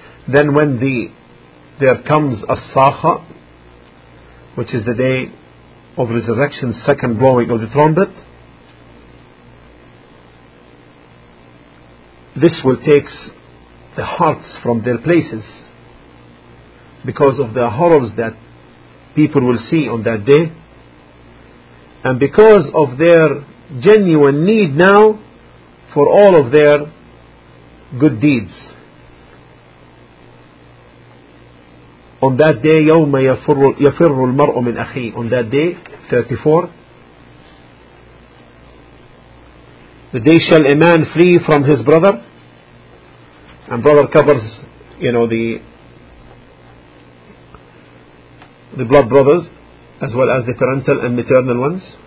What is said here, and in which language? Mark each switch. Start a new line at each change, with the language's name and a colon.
English: Then when there comes As-Sakha, which is the day of resurrection, second blowing of the trumpet, this will take the hearts from their places because of the horrors that people will see on that day, and because of their genuine need now for all of their good deeds. On that day,
Arabic: يوم يفر المرء من أخيه.
English: On that day, 34. The day shall a man flee from his brother. And brother covers, you know, the blood brothers, as well as the parental and maternal ones.